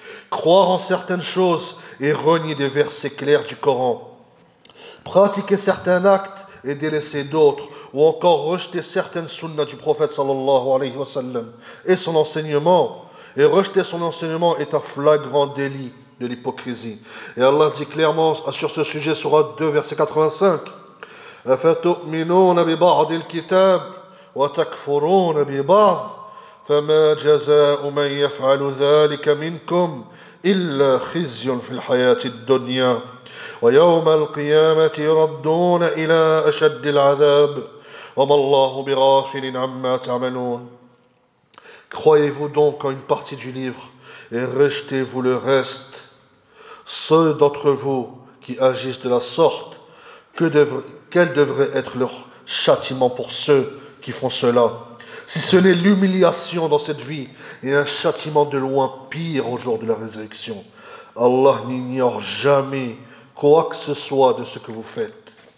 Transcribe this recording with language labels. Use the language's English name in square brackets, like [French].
[French] Croire en certaines choses et renier des versets clairs du Coran. Pratiquer certains actes et délaisser d'autres, ou encore rejeter certaines sunnas du prophète sallallahu alayhi wa sallam et son enseignement. Et rejeter son enseignement est un flagrant délit de l'hypocrisie. Et Allah dit clairement sur ce sujet, sourate 2, verset 85: [Arabic] أَفَتُؤْمِنُونَ بِبَعْضِ الْكِتَابِ وَتَكْفُرُونَ بِبَعْضِ فَمَا جَزَاءُ مَنْ يَفْعَلُ ذَلِكَ مِنْكُمْ إِلَّا خِزْيٌ فِي الْحَيَاةِ الدُّنْيَا وَيَوْمَ الْقِيَامَةِ يُرَدُّونَ إِلَىٰ أَشَدِّ الْعَذَابِ وَمَا اللَّهُ بِغَافِلٍ عَمَّا تَعْمَلُونَ. [French] Croyez-vous donc en une partie du livre et rejetez-vous le reste. Ceux d'entre vous qui agissent de la sorte, quel devrait être leur châtiment pour ceux qui font cela? Si ce n'est l'humiliation dans cette vie et un châtiment de loin pire au jour de la résurrection, Allah n'ignore jamais quoi que ce soit de ce que vous faites.